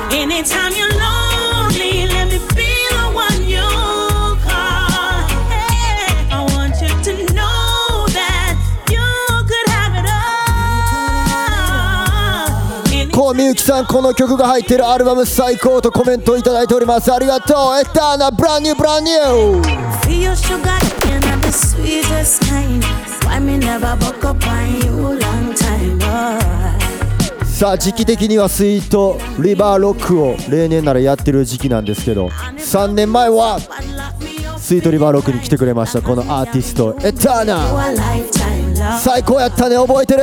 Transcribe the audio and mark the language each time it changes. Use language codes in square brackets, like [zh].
[en] Anytime you're lonely, let me be the one you call. Hey, I want you to know that you could have it all. [ja] Koh Miyuki-san, この曲が入ってるアルバム最高とコメントいただいております。ありがとう。 [en] エターナ、ブランニュー、ブランニュー。 Feel your sugar in the sweetest kind. Why me never buckle up on you long time, boy. [ja] さあ時期的にはスイートリバーロックを例年ならやってる時期なんですけど、3年前はスイートリバーロックに来てくれました、このアーティスト、エターナ。最高やったね、覚えてる？